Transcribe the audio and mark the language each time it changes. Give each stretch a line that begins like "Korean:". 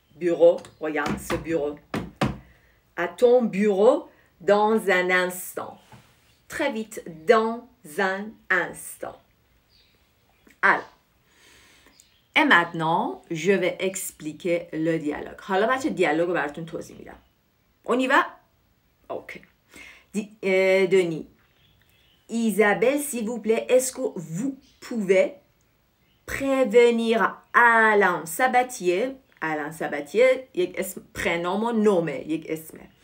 French: Bureau, regarde ce bureau. À ton bureau. Dans un instant. Très vite. Dans un instant. Alors. Et maintenant, je vais expliquer le dialogue.
Persian: حالا بچه دیالوگ رو براتون توضیح میدم.
French: On y va? Ok. Denis. Isabelle, s'il vous plaît, est-ce que vous pouvez prévenir Alain Sabatier?
Persian: Alain Sabatier, یک اسم prénom, nomme, یک اسم.